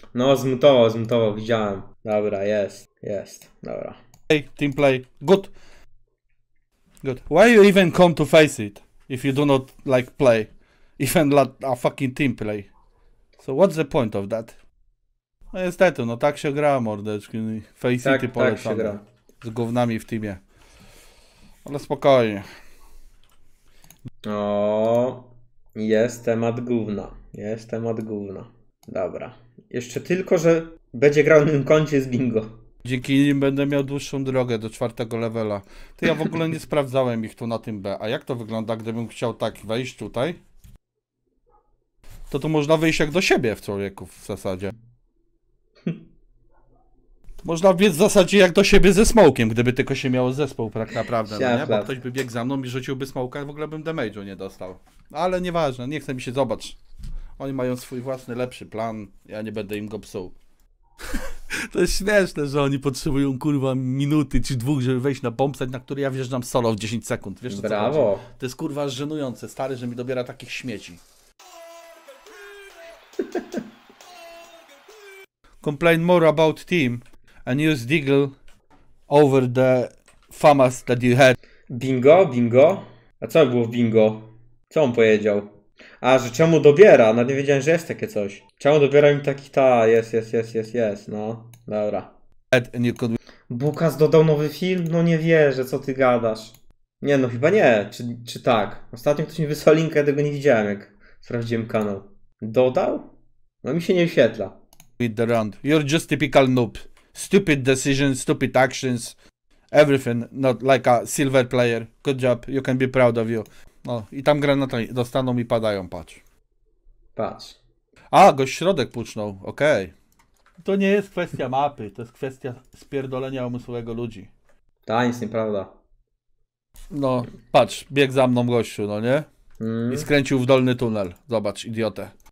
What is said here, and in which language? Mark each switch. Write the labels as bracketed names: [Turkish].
[Polish] No, zmutował, widziałem. Dobra, jest, dobra. [English] Play, team play. Good. Good. Why you even come to face it if you do not like play? Even like a fucking team play. So what's the point of that? [Polish] No niestety, no tak się gra, mordeczki. Face tak, it polecamy. Tak się gra. Z gównami w teamie. Ale spokojnie. O, jest temat gówna. Dobra. Jeszcze tylko, że będzie grał na tym koncie z bingo. Dzięki nim będę miał dłuższą drogę do czwartego levela. To ja w ogóle nie sprawdzałem ich tu na tym B. A jak to wygląda, gdybym chciał tak wejść tutaj? To można wyjść jak do siebie w człowieku w zasadzie. Można biec w zasadzie jak do siebie ze smokiem, gdyby tylko się miało zespół tak naprawdę. No nie? Bo ktoś by biegł za mną i rzuciłby smoka, w ogóle bym damage'u nie dostał. Ale nieważne, nie chcę mi się zobaczyć. Oni mają swój własny lepszy plan, ja nie będę im go psuł. To jest śmieszne, że oni potrzebują kurwa minuty czy dwóch, żeby wejść na bombsite, na który ja wjeżdżam solo w 10 sekund. Wiesz, brawo. Co chodzi? To jest kurwa żenujące, stary, że mi dobiera takich śmieci. [English] Complain more about team and use Deagle over the famas that you had. [Polish] Bingo? A co było w bingo? Co on powiedział? A, że czemu dobiera? Nawet nie wiedziałem, że jest takie coś. Czemu dobiera mi taki ta, jest, no, dobra. Bukas dodał nowy film? No nie wierzę, co ty gadasz. Nie no, chyba nie, czy tak. Ostatnio ktoś mi wysłał linka, ja tego nie widziałem, jak sprawdziłem kanał. Dodał? No mi się nie wyświetla. [English] With the round. You're just typical noob. Stupid decisions, stupid actions. Everything, not like a silver player. Good job, you can be proud of you. [Polish] No, i tam granaty dostaną i padają, patrz. Patrz. A, gość środek pucznął, okej. Okay. To nie jest kwestia mapy, to jest kwestia spierdolenia umysłowego ludzi. Ta nic, nieprawda. No, patrz, bieg za mną gościu, no nie? I skręcił w dolny tunel, zobacz, idiotę.